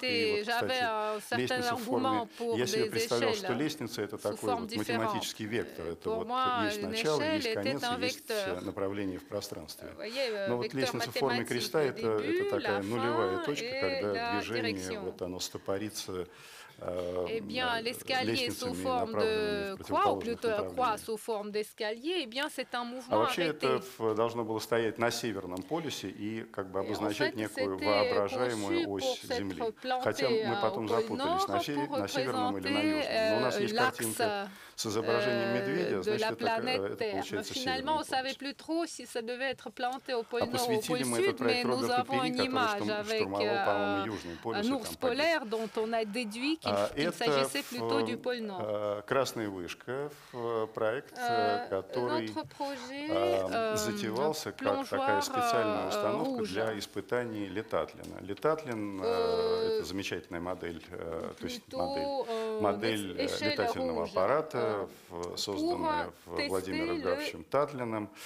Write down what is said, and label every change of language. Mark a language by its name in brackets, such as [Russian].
[Russian] И вот, кстати, лестница в форме... Я себе представлял, что лестница – это такой вот математический вектор. Это вот есть начало, есть конец, есть направление в пространстве. Но вот лестница в форме креста – это такая нулевая точка, когда движение, вот оно стопорится [French] Eh bien, l'escalier sous forme de quoi, ou plutôt quoi sous forme d'escalier, eh bien, c'est un mouvement arrêté. [Russian] Это должно было стоять на Северном полюсе и как бы обозначать некую воображаемую ось Земли. Хотя мы потом запутались, на Северном или на Южном. Но у нас есть картинка с изображением медведя, значит, это получается Северный полюс. [French] Savait plus trop si ça devait être planté au pôle Nord ou au pôle Sud, mais nous avons une image avec un ours polaire dont on a déduit qu'il s'agissait plutôt du pôle Nord. [Russian] Красная вышка, проект, который затевался как такая специальная установка для испытаний Летатлина. Летатлин – это замечательная модель, то есть модель летательного аппарата, созданная Владимиром Гавровичем Татлином.